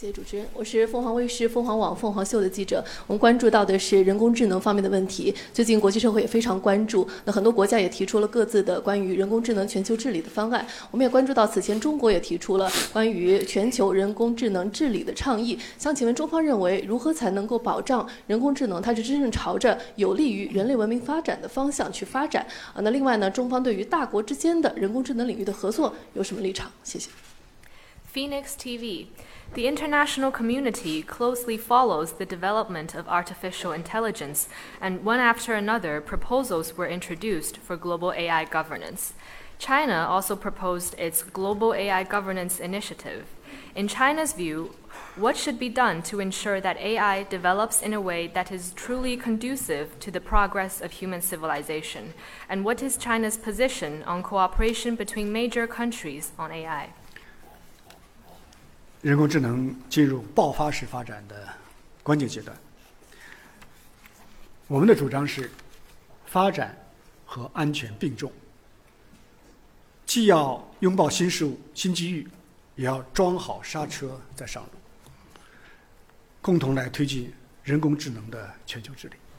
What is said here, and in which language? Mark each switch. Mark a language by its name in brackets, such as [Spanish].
[Chinese] 谢谢主持人，我是凤凰卫视凤凰网凤凰秀的记者，我们关注到的是人工智能方面的问题，最近国际社会也非常关注，那很多国家也提出了各自的关于人工智能全球治理的方案，我们也关注到此前中国也提出了关于全球人工智能治理的倡议，想请问中方认为如何才能够保障人工智能它是真正朝着有利于人类文明发展的方向去发展，那另外呢，中方对于大国之间的人工智能领域的合作有什么立场？谢谢。 [English] Phoenix TV. The international community closely follows the development of artificial intelligence, and one after another, proposals were introduced for global AI governance. China also proposed its Global AI Governance Initiative. In China's view, what should be done to ensure that AI develops in a way that is truly conducive to the progress of human civilization? And what is China's position on cooperation between major countries on AI? [Chinese] 人工智能进入爆发式发展的关键阶段，我们的主张是发展和安全并重，既要拥抱新事物新机遇，也要装好刹车再上路，共同来推进人工智能的全球治理。